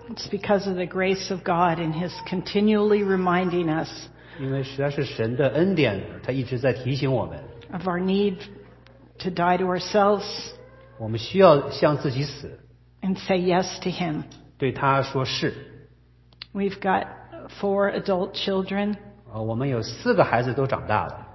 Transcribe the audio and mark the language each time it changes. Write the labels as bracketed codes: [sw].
[en] It's because of the grace of God and His continually reminding us. [zh] 因为实在是神的恩典，他一直在提醒我们。 [en] Of our need to die to ourselves. [zh] 我们需要向自己死。 [en] And say yes to Him. [zh] 对他说是。 [en] We've got 4 adult children. [zh] 我们有4个孩子都长大了。